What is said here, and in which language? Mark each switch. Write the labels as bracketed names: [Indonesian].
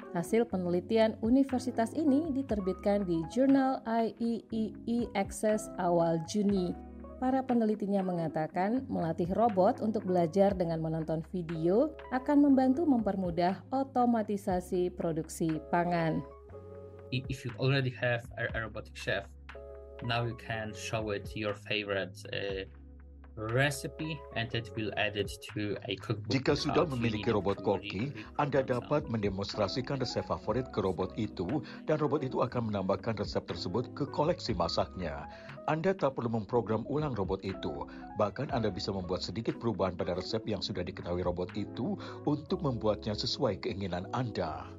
[Indonesian] Hasil penelitian universitas ini diterbitkan di jurnal IEEE Access awal Juni. Para penelitinya mengatakan melatih robot untuk belajar dengan menonton video akan membantu mempermudah otomatisasi produksi pangan. [English] If you already have a robotic chef, now you can show it your favorite recipe and it will add it to a cookbook. [Indonesian] Jika sudah memiliki robot koki, Anda dapat mendemonstrasikan resep favorit ke robot itu dan robot itu akan menambahkan resep tersebut ke koleksi masaknya. Anda tak perlu memprogram ulang robot itu. Bahkan Anda bisa membuat sedikit perubahan pada resep yang sudah diketahui robot itu untuk membuatnya sesuai keinginan Anda.